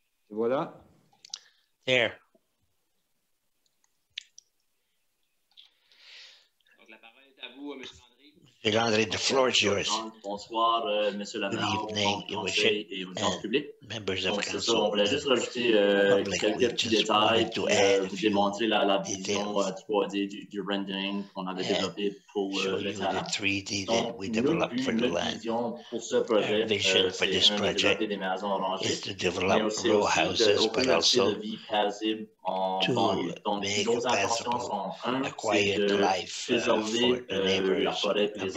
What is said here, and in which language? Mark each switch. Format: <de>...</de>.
<fr>Voilà.</fr> <en>There. Mr. Landry, the floor is yours.</en> <fr>Bonsoir, Monsieur Lamar.</fr> <en>Good evening, Your Worship, and members of council.</en> <fr>Ça, on voulait juste rajouter quelques petits détails pour vous démontrer la vision 3D du rendering qu'on avait développé pour le terrain.</fr> <en>The 3D that we developed for the land.</en> <fr>Pour ce projet,</fr> <en>our vision for this project is to develop row houses, but also to make a passable, a quiet life for the neighbors of</en>